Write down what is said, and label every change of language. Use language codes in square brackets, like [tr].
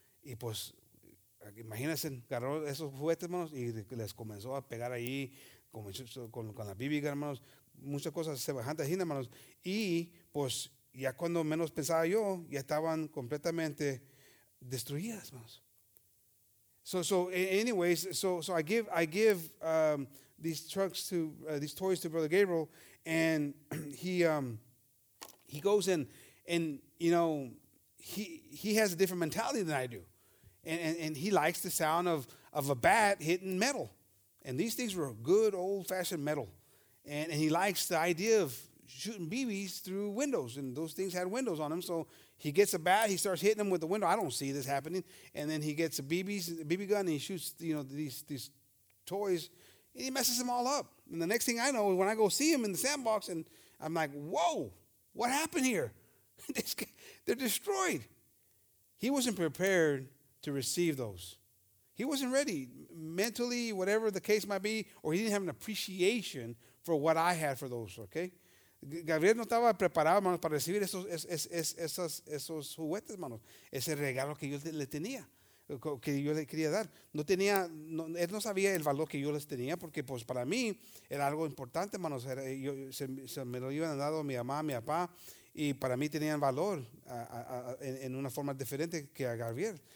[es] Y pues, imagínense, agarró esos juguetes, hermanos, y les comenzó a pegar ahí con la BB, hermanos. Muchas cosas se bajaban, hermanos, y pues ya cuando menos pensaba yo, ya estaban completamente destruidas, hermanos. [en] So I give these toys to Brother Gabriel, and he goes and you know, he has a different mentality than I do, and he likes the sound of a bat hitting metal, and these things were good old fashioned metal. And he likes the idea of shooting BBs through windows. And those things had windows on them. So he gets a bat. He starts hitting them with the window. I don't see this happening. And then he gets a BB gun, and he shoots, you know, these toys. And he messes them all up. And the next thing I know, when I go see him in the sandbox, and I'm like, whoa, what happened here? They're destroyed. He wasn't prepared to receive those. He wasn't ready mentally, whatever the case might be, or he didn't have an appreciation for what I had for those, okay? [es] Gabriel no estaba preparado, hermanos, para recibir esos juguetes, hermanos. Ese regalo que yo le tenía, que yo le quería dar. Él no sabía el valor que yo les tenía, porque pues para mí era algo importante, hermanos. Se me lo iban dando mi mamá, mi papá, y para mí tenían valor en una forma diferente que a Gabriel.